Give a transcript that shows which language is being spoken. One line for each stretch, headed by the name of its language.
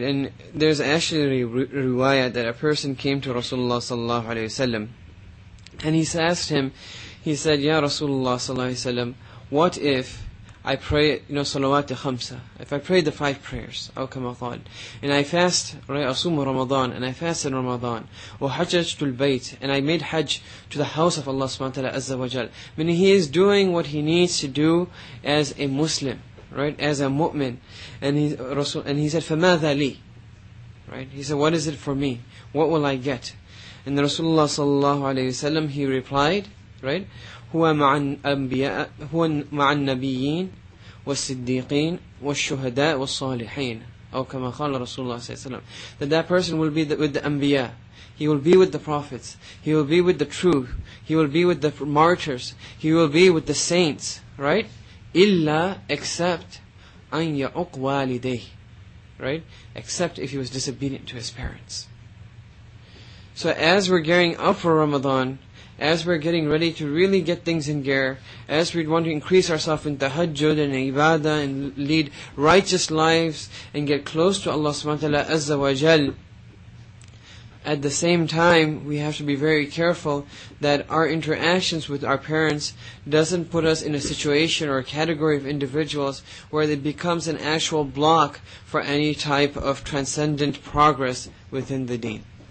English: And there's actually a riwayah that a person came to Rasulullah sallallahu alayhi wa sallam, and he asked him, he said, "Ya Rasulullah sallallahu alayhi wa sallam, what if I pray, you know, salawat khamsa, if I pray the five prayers, aw kama qal, and I fast, right, asum Ramadan, and I fast in Ramadan,
Arabic: wa hajjajtu al-bayt,
English: and I made hajj to the house of Allah subhanahu wa ta'ala azza wa jal." Meaning he is doing what he needs to do as a Muslim, right, as a mu'min. And he said,
Arabic: فَمَاذَا لِي?
English: Right, he said, what is it for me? What will I get? And the Rasulullah sallallahu alayhi wa sallam, he replied, right,
Arabic: هو مع النبيين والصديقين والشهداء والصالحين أو كما قال رسول الله صلى الله عليه وسلم.
English: That person will be with the Anbiya. He will be with the prophets. He will be with the true. He will be with the martyrs. He will be with the saints. Right?
Arabic: إلا
English: except
Arabic: أن يعق والديه.
English: Right? Except if he was disobedient to his parents. So as we're gearing up for Ramadan, as we're getting ready to really get things in gear, as we want to increase ourselves in tahajjud and ibadah and lead righteous lives and get close to Allah subhanahu wa ta'ala azza wa jal, at the same time, we have to be very careful that our interactions with our parents doesn't put us in a situation or a category of individuals where it becomes an actual block for any type of transcendent progress within the deen.